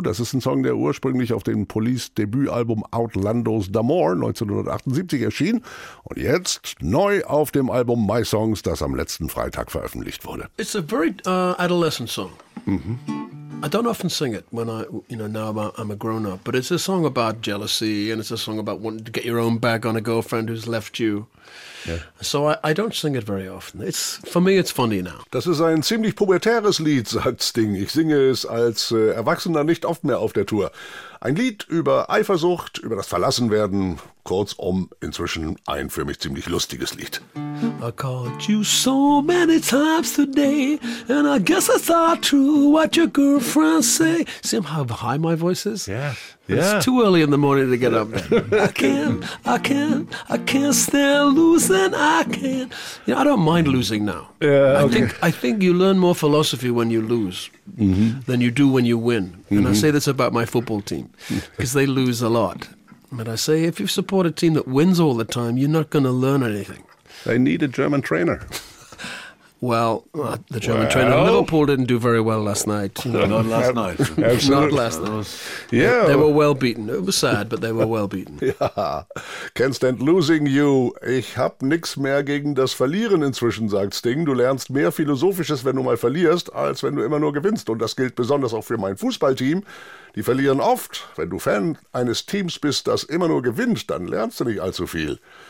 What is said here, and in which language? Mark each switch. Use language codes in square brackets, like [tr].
[de] Das ist ein Song, der ursprünglich auf dem Police-Debütalbum Outlandos D'Amour 1978 erschien. Und jetzt neu auf dem Album My Songs, das am letzten Freitag veröffentlicht wurde. [en] It's a very adolescent song. I don't often sing it when I, you know, now I'm a grown-up. But it's a song about jealousy and it's a song about wanting to get your own back on a girlfriend who's left you. Yeah. So I don't sing it very often. It's, for me, it's funny now. Das ist ein ziemlich pubertäres Lied, sagt Sting. Ich singe es als Erwachsener nicht oft mehr auf der Tour. Ein Lied über Eifersucht, über das Verlassenwerden. Kurzum, inzwischen ein für mich ziemlich lustiges Lied. I called you so many times today and I guess I thought true what your girlfriend say. See how high my voice is? Yeah. It's too early in the morning to get up. I can't stand losing. I can't. You know, I don't mind losing now. I think you learn more philosophy when you lose than you do when you win. Mm-hmm. And I say this about my football team because they lose a lot. But I say if you support a team that wins all the time, you're not going to learn anything. They need a German trainer. Well, the German trainer in Liverpool didn't do very well last night. Not last night. Not last night. Yeah. They were well beaten. It was sad, but they were well beaten. Ja. Can't stand losing you. [de] Ich hab nichts mehr gegen das Verlieren inzwischen, sagt Sting. Du lernst mehr Philosophisches, wenn du mal verlierst, als wenn du immer nur gewinnst. Und das gilt besonders auch für mein Fußballteam. Die verlieren oft. Wenn du Fan eines Teams bist, das immer nur gewinnt, dann lernst du nicht allzu viel.